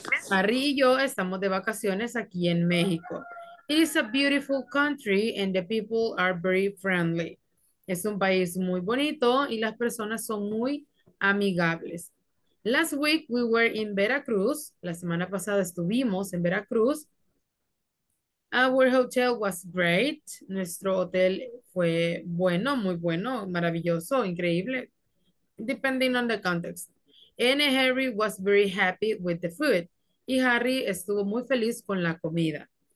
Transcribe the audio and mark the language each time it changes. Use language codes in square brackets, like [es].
[es] Harry y yo estamos de vacaciones aquí en México. [en] It is a beautiful country and the people are very friendly. [es] Es un país muy bonito y las personas son muy amigables. [en] Last week we were in Veracruz. [es] La semana pasada estuvimos en Veracruz. [en] Our hotel was great. [es] Nuestro hotel fue bueno, muy bueno, maravilloso, increíble. [en] Depending on the context. And Harry was very happy with the food. [es] Y Harry estuvo muy feliz con la comida.